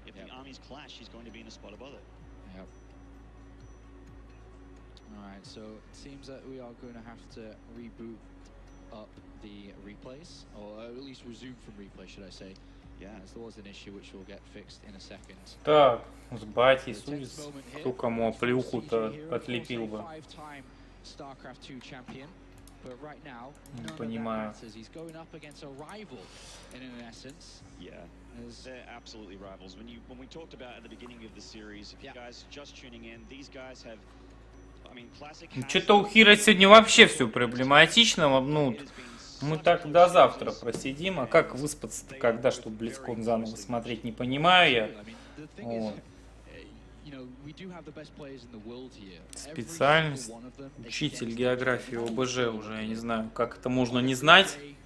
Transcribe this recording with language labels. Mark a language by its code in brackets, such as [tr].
[en] If the armies clash, he's going to be in a spot above it. Yep. All right, so it seems that we are going to have to reboot up the replays, or at least resume from replay, should I say. Yeah, there was an issue which we'll get fixed in a second. [ru] Так, с батей, судя, кто кому оплюху-то отлепил бы. [en] StarCraft 2 champion, but right now, [ru] не понимаю. [en] He's going up against a rival, in an essence. Yeah, they're absolutely rivals. When we talked about at the beginning of the series, if you guys just tuning in, these guys have, I mean, Classic. [ru] Что-то у Хира сегодня вообще все проблематично, обнут. Мы так до завтра просидим, а как выспаться-то, когда, чтобы Близкон заново смотреть, не понимаю я. Вот. Специальность, учитель географии ОБЖ уже, я не знаю, как это можно не знать.